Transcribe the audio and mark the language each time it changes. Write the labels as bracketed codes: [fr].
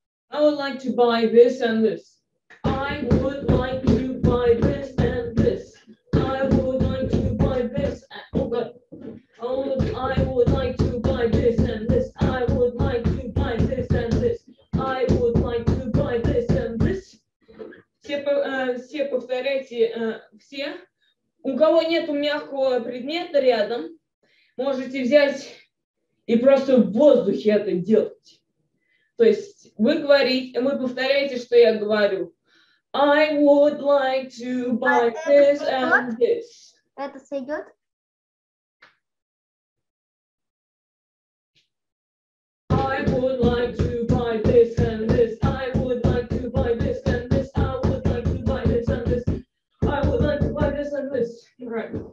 [en] I would like to buy this and this. I would like to buy this and this. I would like to buy this and oh God. I would like to buy this and this. I would like to buy this and this. I would like to buy this and this. [ru] Все повторяйте, все. У кого нету мягкого предмета рядом, можете взять и просто в воздухе это делать. То есть вы говорите, вы повторяете, что я говорю. [en] I would like to buy this and this. [ru] Это сойдет? [en] I would like to buy this and this. I would like to buy this and this. I would like to buy this and this. I would like to buy this and this. Right.